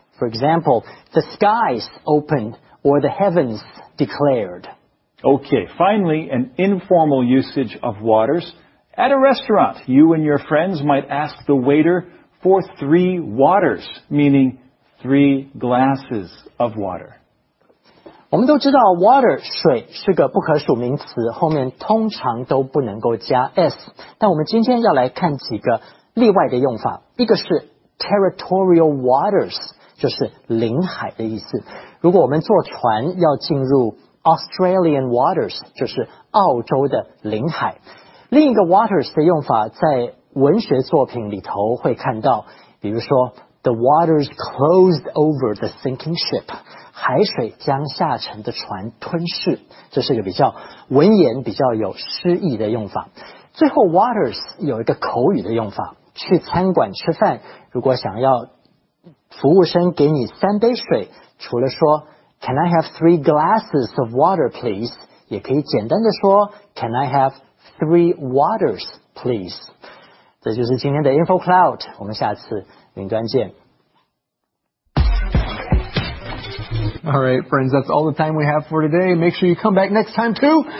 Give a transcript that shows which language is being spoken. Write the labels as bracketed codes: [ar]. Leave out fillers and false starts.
[en] For example, the skies opened or the heavens declared. Okay, finally, an informal usage of waters. At a restaurant, you and your friends might ask the waiter for three waters, meaning three glasses of water. [zh] 我们都知道 water 水是个不可数名词 后面通常都不能够加s 但我们今天要来看几个例外的用法 一个是territorial waters 就是领海的意思 如果我们坐船要进入Australian waters 就是澳洲的领海 另一个waters的用法在文学作品里头会看到 比如说 [en] the waters closed over the sinking ship [zh] 海水将下沉的船吞噬，这是一个比较文言、比较有诗意的用法。最后，waters有一个口语的用法，去餐馆吃饭，如果想要服务生给你三杯水，除了说 [en] "Can I have 3 glasses of water, please?" [zh] 也可以简单的说 [en] "Can I have 3 waters, please?" [zh] 这就是今天的 Info Cloud， 我们下次云端见。 [en] All right, friends, that's all the time we have for today. Make sure you come back next time to